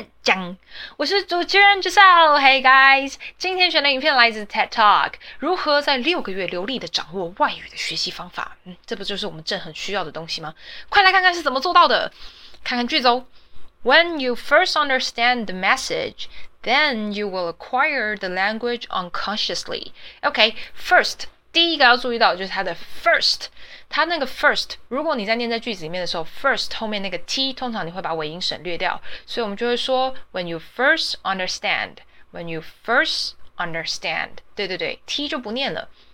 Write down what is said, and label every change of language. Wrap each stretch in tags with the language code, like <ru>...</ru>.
<zh>讲，我是主持人 Giselle。</zh> <en>Hey guys，</en> <zh>今天选的影片来自 TED Talk， 如何在六个月流利的掌握外语的学习方法。这不就是我们正很需要的东西吗？快来看看是怎么做到的。看看句子哦。</zh> <en>When you first understand the message, then you will acquire the language unconsciously.</en> <zh>Okay, first，第一个要注意到就是它的 first， 它那个 first， 如果你在念在句子里面的时候 ，first 后面那个 t 通常你会把尾音省略掉，所以我们就会说</zh> <en>when you first understand，</en> <zh>when you first understand， 对对对 ，t 就不念了。</zh>